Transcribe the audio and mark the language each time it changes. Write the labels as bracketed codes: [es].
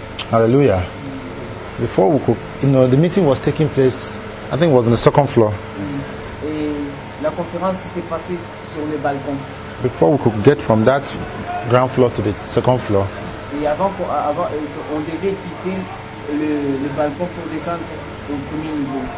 [en] Hallelujah. Before we could, you know, the meeting was taking place, I think it was on the second floor. [fr] La conférence s'est passée sur le balcon. [en] Before we could get from that ground floor to the second floor, [fr] et avant, on devait quitter le balcon pour descendre au premier niveau.